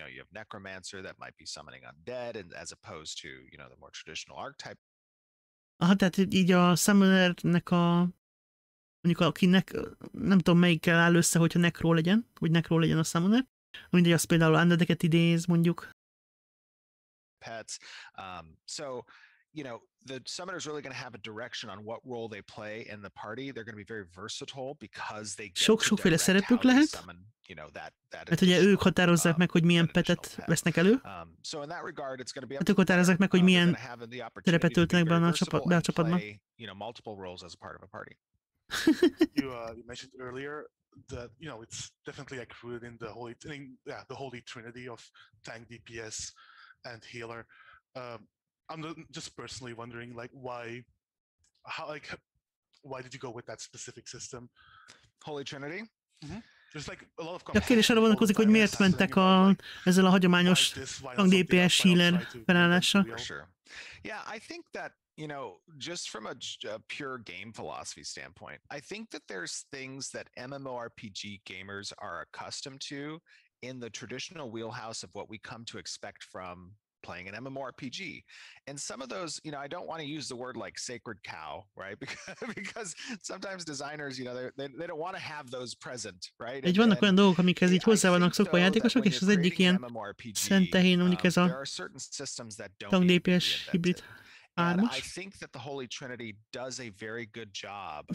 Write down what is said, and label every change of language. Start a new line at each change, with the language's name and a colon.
English: Necromancer that might be summoning undead, as opposed to, you know, the more traditional archetype.
Hungarian: Aha, tehát így a summonernek a, mondjuk akinek, nem tudom melyikkel áll össze, hogyha nekró legyen, hogy nekró legyen a summoner, mindegy, az például undeadeket idéz, mondjuk.
English: Pets. So, you know, the summoner is really going to have a direction on what role they play in the party. They're going to be very versatile because they get
Hungarian: sokféle szerepük lehet.
English: You know, that
Hungarian: mert ugye ők határozzák meg, hogy milyen petet vesznek elő.
English: So in that regard, it's going to be
Hungarian: hát ők határozzák meg, hogy milyen terepet töltenek be a csapatban.
English: You know, multiple roles as part of a party. you mentioned earlier that, you know, it's definitely like rooted in the holy, the holy trinity of tank, DPS and healer. I'm just personally wondering, like, why did you go with that specific system? Holy Trinity? Mm-hmm. Like a lot of
Hungarian: a kérdés arra vonatkozik, hogy miért mentek ezzel a hagyományos tank DPS healer felállással.
English: Yeah, I think that, you know, just from a pure game philosophy standpoint, I think that there's things that MMORPG gamers are accustomed to in the traditional wheelhouse of what we come to expect from playing an MMORPG. And some of those, you know, I don't want to use the word like sacred cow, right? Because sometimes designers, you know, they don't want to have those present, right?
Hungarian: Egy vannak olyan dolgok, amikhez így hozzá vannak szokva a játékosok, és az egyik ilyen szent tehén, mondjuk ez a tank DPS hibrid 3-as.
English: I think that the Holy Trinity does a very good job.